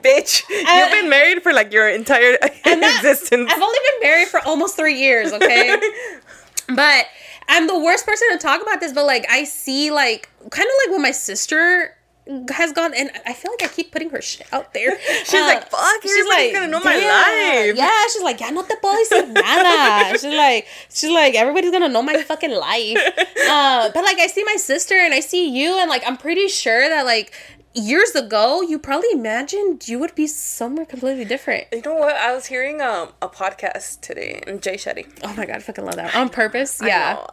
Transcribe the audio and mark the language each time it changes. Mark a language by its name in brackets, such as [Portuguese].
[English] Bitch, you've been married for, like, your entire existence. I've only been married for almost 3 years, okay? But I'm the worst person to talk about this, but, like, I see, like, kind of like when my sister has gone, and I feel like I keep putting her shit out there. She's like, fuck, she's like, gonna know my life. Yeah, she's like, [Spanish] ya no te puedo decir nada. [English] She's like, everybody's gonna know my fucking life. But, like, I see my sister, and I see you, and, like, I'm pretty sure that, like, years ago, you probably imagined you would be somewhere completely different. You know what? I was hearing a podcast today, Jay Shetty. Oh my god, I fucking love that. On purpose? Yeah.